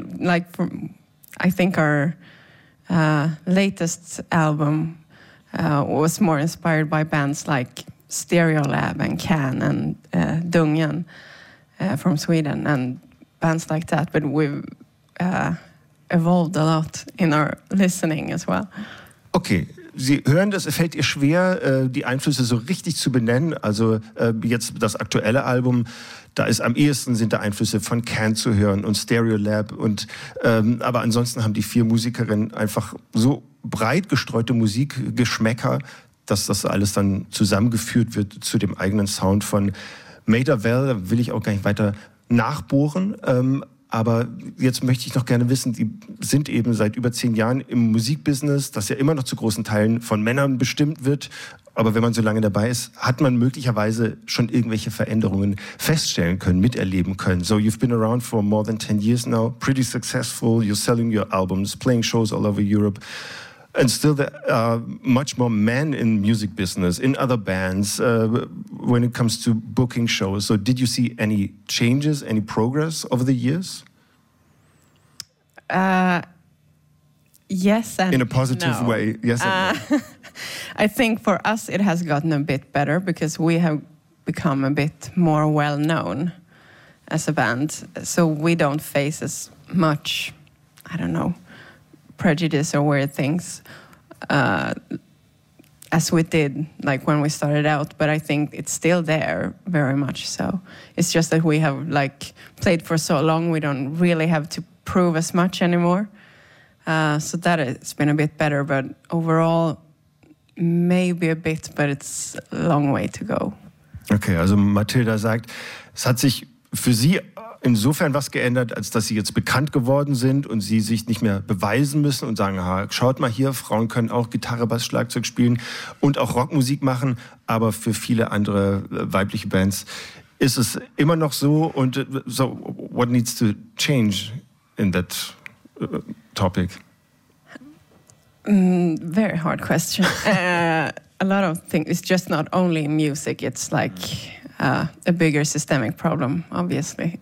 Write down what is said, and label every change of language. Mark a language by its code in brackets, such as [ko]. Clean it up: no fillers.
[en] Like, from, I think our latest album was more inspired by bands like Stereolab and Can and Dungen. From Sweden and bands like that, but we've evolved a lot in our listening as well. [de] Okay, Sie hören das, fällt ihr schwer, die Einflüsse so richtig zu benennen? Also jetzt das aktuelle Album, da ist am ehesten sind da Einflüsse von Can zu hören und Stereolab. Und aber ansonsten haben die vier Musikerinnen einfach so breit gestreute Musikgeschmäcker, dass das alles dann zusammengeführt wird zu dem eigenen Sound von Maida Vale, will ich auch gar nicht weiter nachbohren. Aber jetzt möchte ich noch gerne wissen, die sind eben seit über 10 Jahren im Musikbusiness, das ja immer noch zu großen Teilen von Männern bestimmt wird. Aber wenn man so lange dabei ist, hat man möglicherweise schon irgendwelche Veränderungen feststellen können, miterleben können. [en] So you've been around for more than 10 years now, pretty successful, you're selling your albums, playing shows all over Europe. And still there are much more men in music business, in other bands, when it comes to booking shows. So did you see any changes, any progress over the years? Yes and in a positive no. way. Yes and no. I think for us it has gotten a bit better because we have become a bit more well known as a band. So we don't face as much, I don't know, prejudice or weird things as we did like when we started out, but I think it's still there very much so. It's just that we have like played for so long we don't really have to prove as much anymore, so that it's been a bit better, but overall maybe a bit, but it's a long way to go. [de] Okay, also Mathilda sagt, es hat sich für sie insofern was geändert, als dass sie jetzt bekannt geworden sind und sie sich nicht mehr beweisen müssen und sagen, ha, schaut mal hier, Frauen können auch Gitarre, Bass, Schlagzeug spielen und auch Rockmusik machen, aber für viele andere weibliche Bands ist es immer noch so. [en] Und so, what needs to change in that topic? Very hard question. A lot of things, it's just not only music, it's like a bigger systemic problem, obviously.